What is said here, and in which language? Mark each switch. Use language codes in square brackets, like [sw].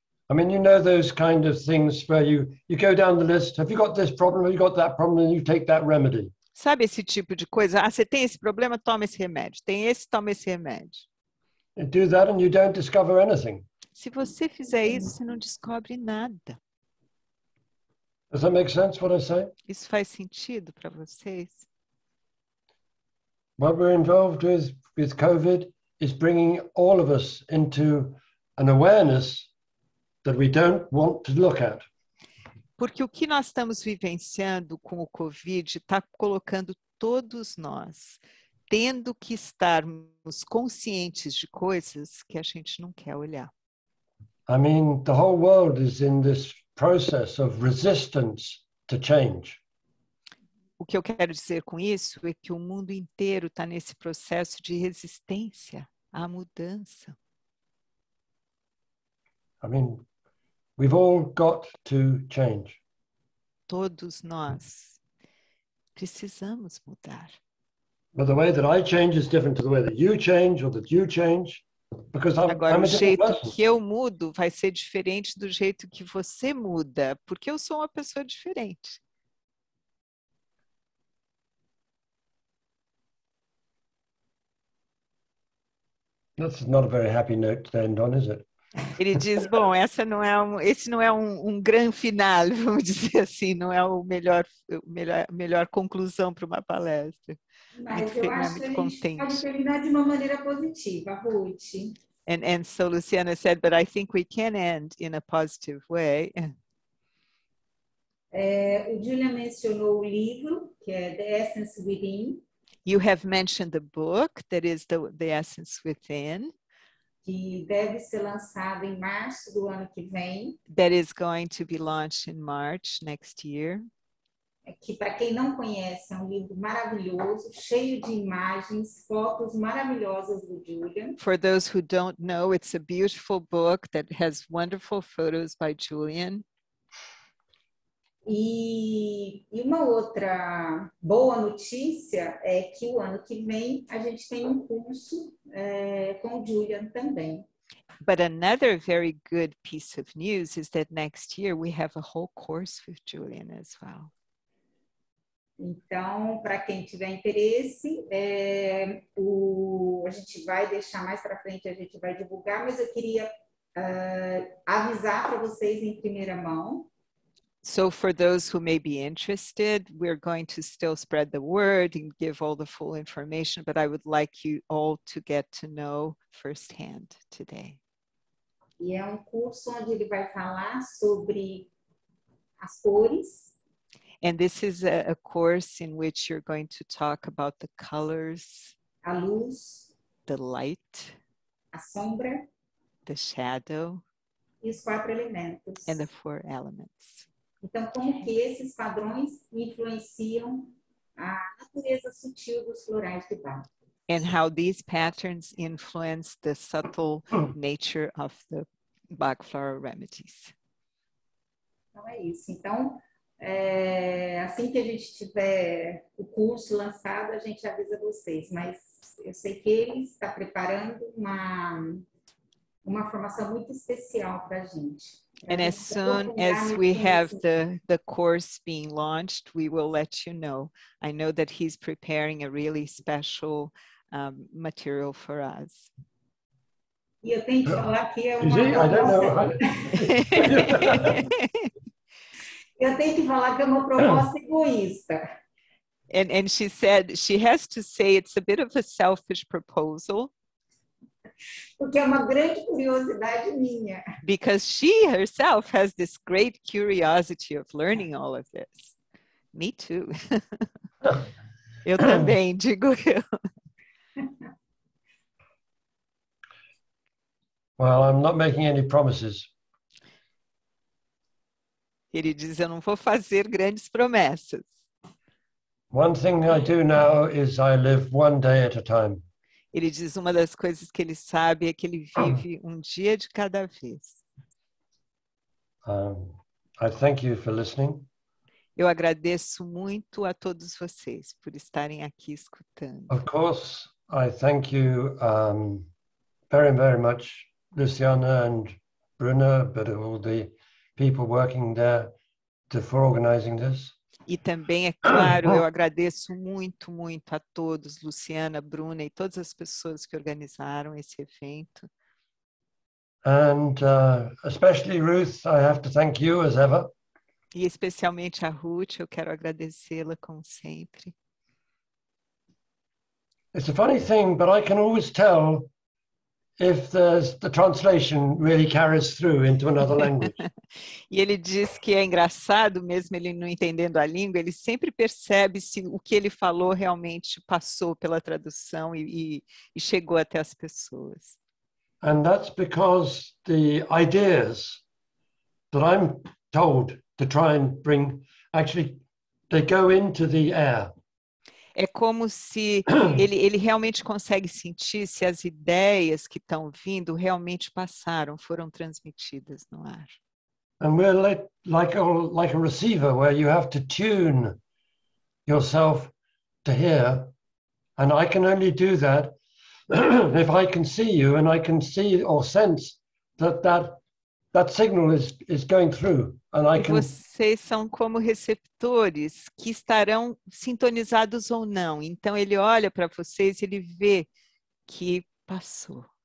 [en] I mean, you know those kind of things where you go down the list. Have you got this problem? Have you got that problem? And you take that remedy. [pt] Sabe esse tipo de coisa? Ah, você tem esse problema? Toma esse remédio. Tem esse? Toma esse remédio. [en] And do that and you don't discover anything. [pt] Se você fizer isso, você não descobre nada. [en] Does that make sense what I say? [pt] Isso faz sentido para vocês? [en] What we're involved with COVID is bringing all of us into an awareness that we don't want to look at. [pt] Porque o que nós estamos vivenciando com o COVID está colocando todos nós tendo que estarmos conscientes de coisas que a gente não quer olhar. [en] I mean, the whole world is in this process of resistance to change. [pt] O que eu quero dizer com isso é que o mundo inteiro está nesse processo de resistência à mudança. [en] I mean, we've all got to change. [pt] Todos nós precisamos mudar. [en] But the way that I change is different to the way that you change or that you change. Because I'm, [pt] agora, [en] I'm [pt] o jeito [en] person. [pt] Que eu mudo vai ser diferente do jeito que você muda, porque eu sou uma pessoa diferente. [en] That's not a very happy note to end on, is it? [pt] Ele diz, bom, esse não é um grande final, vamos dizer assim, não é o melhor conclusão para uma palestra. Mas muito, eu acho muito que contente. A gente pode terminar de uma maneira positiva, Ruth. [en] And so Luciana said, but I think we can end in a positive way. [pt] O Julian mencionou o livro, que é The Essence Within. [en] You have mentioned the book, that is the Essence Within. [pt] Que deve ser lançado em março do ano que vem. [en] That is going to be launched in March next year. [pt] Que, para quem não conhece, é um livro maravilhoso, cheio de imagens, fotos maravilhosas do Julian. [en] For those who don't know, it's a beautiful book that has wonderful photos by Julian. [pt] E uma outra boa notícia é que o ano que vem a gente tem um curso com o Julian também. [en] But another very good piece of news is that next year we have a whole course with Julian as well. [pt] Então, para quem tiver interesse, a gente vai deixar mais para frente, a gente vai divulgar, mas eu queria avisar para vocês em primeira mão. [en] So for those who may be interested, we're going to still spread the word and give all the full information, but I would like you all to get to know firsthand today. [pt] E é um curso onde ele vai falar sobre as cores. [en] And this is a course in which you're going to talk about the colors, [pt] a luz, [en] the light, [pt] a sombra, [en] the shadow, [pt] e os quatro elementos. [en] And the four elements. [pt] Então, como que esses padrões influenciam a natureza sutil dos florais de Bach? [en] And how these patterns influence the subtle nature of the Bach floral remedies. [pt] Então, é isso. Então, é, assim que a gente tiver o curso lançado, a gente avisa vocês. Mas eu sei que ele está preparando uma formação muito especial para a gente. [en] And as soon as we have the course being launched, we will let you know. I know that he's preparing a really special material for us. [pt] E eu tenho que falar que é uma... [en] Gee, I don't know. [pt] Eu tenho que falar que é uma proposta egoísta. [en] And she said, she has to say it's a bit of a selfish proposal. [pt] Porque é uma grande curiosidade minha. [en] Because she herself has this great curiosity of learning all of this. Me too. [pt] Eu também, digo eu. [en] Well, I'm not making any promises. [pt] Ele diz, eu não vou fazer grandes promessas. [en] One thing I do now is I live one day at a time. [pt] Ele diz, uma das coisas que ele sabe é que ele vive dia de cada vez. [en] I thank you for listening. [pt] Eu agradeço muito a todos vocês por estarem aqui escutando. [en] Of course, I thank you very, very much, Luciana and Bruna, but all the people working there for organizing this. [pt] E também, é claro, eu agradeço muito, muito a todos, Luciana, Bruna e todas as pessoas que organizaram esse evento. [en] And especially Ruth, I have to thank you as ever. [pt] E especialmente a Ruth, eu quero agradecê-la como sempre. [en] It's a funny thing, but I can always tell if the translation really carries through into another language. [pt] E ele diz que é engraçado, mesmo ele não entendendo a língua, ele sempre percebe se o que ele falou realmente passou pela tradução e chegou até as pessoas. [en] And that's because the ideas that I'm told to try and bring, actually, they go into the air. [pt] É como se ele realmente consegue sentir se as ideias que estão vindo realmente passaram, foram transmitidas no ar. [en] And we're like a receiver where you have to tune yourself to hear. And I can only do that if I can see you and I can see or sense that signal is going through. And I can... [pt] Vocês são como receptores que estarão sintonizados ou não. Então ele olha para vocês e ele vê que passou.